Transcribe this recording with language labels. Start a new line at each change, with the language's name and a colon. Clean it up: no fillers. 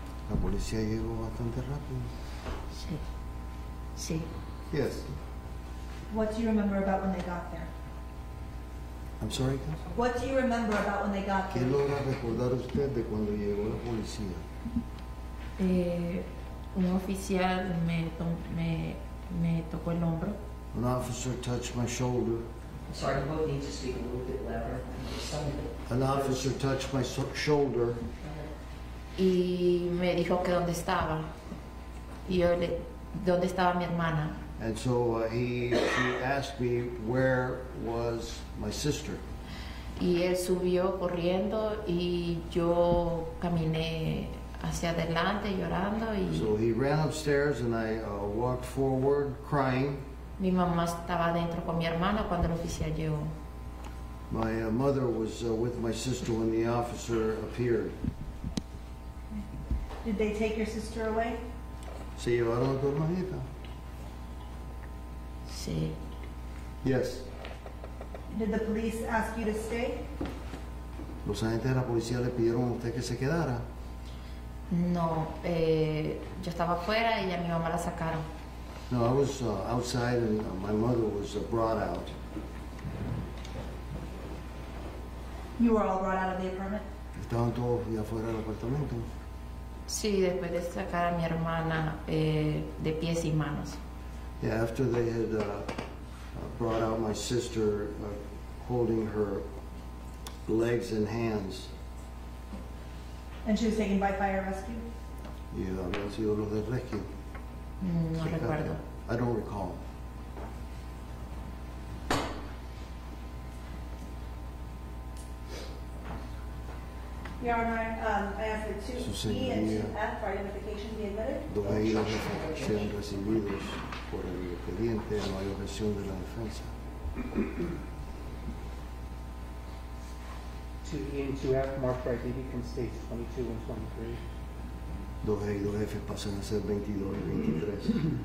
Spanish: La policía llegó bastante rápido. Sí. Sí.
English: Yes. What do you remember about when they got there? I'm sorry. What do you remember about when they got there?
Spanish: ¿Qué logra recordar usted de cuando llegó la policía? Un oficial me tocó el hombro.
English: An officer touched my shoulder. Sorry, we need to speak a little bit louder. An officer touched my shoulder.
Spanish: Y me dijo que dónde estaba. Y yo le, ¿dónde estaba mi hermana?
English: And so he asked me, where was my sister?
Spanish: Y él subió corriendo y yo caminé hacia adelante llorando y...
English: So he ran upstairs and I walked forward crying.
Spanish: Mi mamá estaba dentro con mi hermana cuando el oficial llegó.
English: My mother was with my sister when the officer appeared. Did they take your sister away?
Spanish: Se llevaron a tu hermanita. Sí.
English: Yes. Did the police ask you to stay?
Spanish: Los agentes de la policía le pidieron a usted que se quedara. No, yo estaba afuera y a mi mamá la sacaron.
English: No, I was outside and my mother was brought out. You were all brought out of the apartment?
Spanish: Estaban todos ya fuera del apartamento. Sí, después de sacar a mi hermana de pies y manos.
English: Yeah, after they had brought out my sister, holding her legs and hands. And she was taken by fire rescue?
Spanish: Yeah, habían sido los de rescue. No recuerdo.
English: I don't recall. Your Honor, I ask that two E and two F for identification be admitted.
Spanish: Dos sean recibidos por el expediente a la objeción de la defensa.
English: Two E and two F, marked for ID, can state 22 and 23.
Spanish: Dos E y dos F pasan a ser 22 y 23.